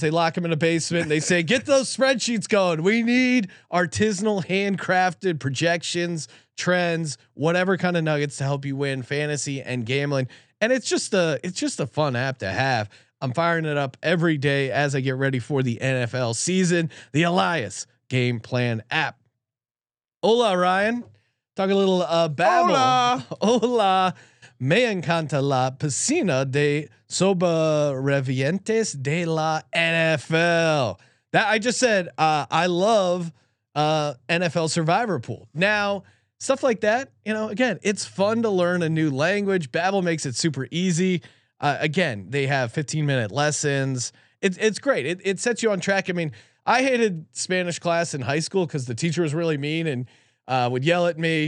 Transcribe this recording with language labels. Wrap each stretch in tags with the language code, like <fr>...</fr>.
<en>They lock them in a basement and they say, get those spreadsheets going. We need artisanal handcrafted projections, trends, whatever kind of nuggets to help you win fantasy and gambling. And it's just a fun app to have. I'm firing it up every day as I get ready for the NFL season, the Elias Game Plan app. Hola, Ryan. Talk a little Babel.</en> <es>Hola. Hola. Me encanta la piscina de sobrevivientes de la NFL.</es> <en>That I just said, I love NFL survivor pool. Now, stuff like that, you know, again, it's fun to learn a new language. Babbel makes it super easy. Again, they have 15-minute lessons. It's great. It sets you on track. I mean, I hated Spanish class in high school because the teacher was really mean and would yell at me.</en>